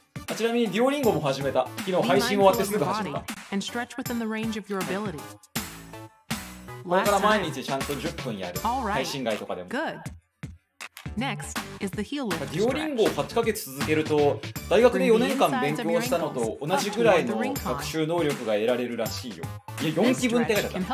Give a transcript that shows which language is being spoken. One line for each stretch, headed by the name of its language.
Japanese: あ、ちなみにデュオリンゴも始めた。昨日配信終わってすぐ始めた。
English: And stretch within the range of your ability.
Japanese: これから毎日ちゃんと10分やる。
English: All right.
Japanese: 配信外とかでも。
English: Good. Next is the heel lift.
Japanese: デュオリンゴを8ヶ月続けると、大学で4年間勉強したのと同じくらいの学習能力が得られるらしいよ。いや、4期分って書いてあった。